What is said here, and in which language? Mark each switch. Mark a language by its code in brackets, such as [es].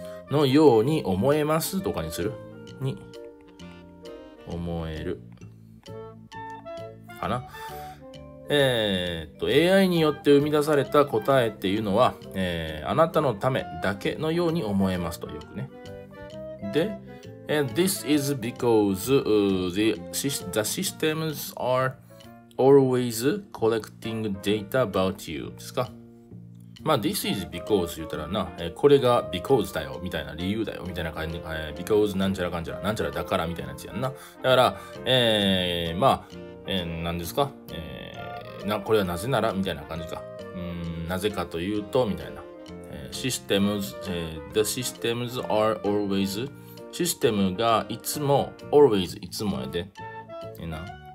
[ja] のように思えますとかにする。に、思える。かな。 AI によって生み出された答えっていうのは、あなたのためだけのように思えますと、よくね。で、 [en] And this is because the systems are always collecting data about you. [ja] ですか。まあ、 [en] this is because [ja] 言ったらな、これが because だよ、みたいな理由だよ、みたいな感じ、because なんちゃらかんちゃら、なんちゃらだから、みたいなやつやんな。だから、まあ、何ですか、これはなぜなら、みたいな感じか。なぜかというと、みたいな。 [en] systems, the systems are always、 [ja] システムがいつも、always、いつもやで。えな。